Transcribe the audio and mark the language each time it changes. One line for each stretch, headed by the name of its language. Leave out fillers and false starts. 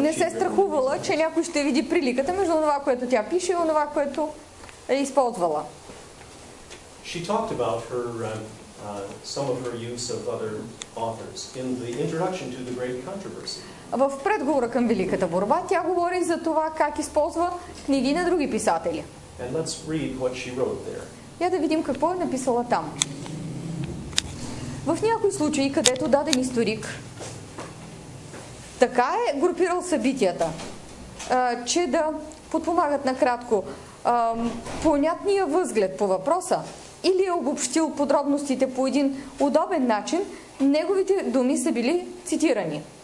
Bulgarian: Не се страхувала, че някой ще види приликата между това, което тя пише, и това, което е използвала.
English: She talked about her some of her use of other authors in the introduction to the Great Controversy.
Bulgarian: В предговора към Великата борба тя говори за това как използва книги на други писатели.
English: And let's read what she wrote there.
Bulgarian: Я да видим какво е написала там. В някои случаи, където даден историк така е групирал събитията, че да подпомагат накратко понятния възглед по въпроса или е обобщил подробностите по един удобен начин, неговите думи са били цитирани.